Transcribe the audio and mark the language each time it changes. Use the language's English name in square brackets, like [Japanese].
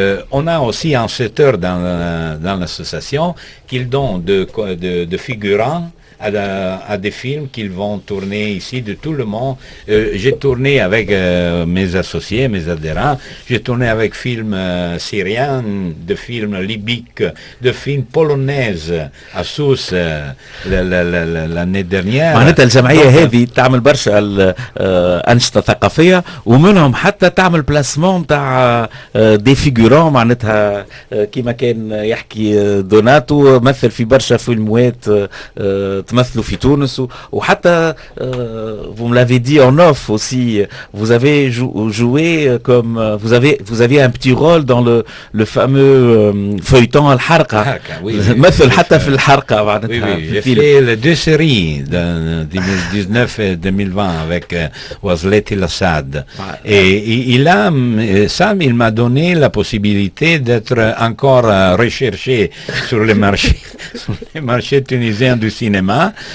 [French] On a aussi un secteur dans l'association qui donne de figurants à des films qu'ils vont tourner ici de tout le monde. J'ai tourné avec mes associés, mes adhérents, j'ai tourné avec films syriens, de films libyques, de films polonais à Sousse l'année dernière. [Arabic] معناتها الجمعية هذه تعمل برشا الأنشطة الثقافية ومنهم حتى تعمل بلاسمون تاع دي فيغورون معناتها كيما كان يحكي دوناتو مثل في برشا فيلموات مثلوا في تونس وحتى [French] vous me l'avez dit en off aussi, vous avez joué comme vous avez un petit rôle dans le fameux feuilleton [Arabic] الحرقة. مثل حتى في الحرقة معناتها. [French] J'ai fait les deux séries de 2019 et 2020 avec Wazlet El Assad. Et il m'a donné la possibilité d'être encore recherché sur les marchés tunisiens du cinéma.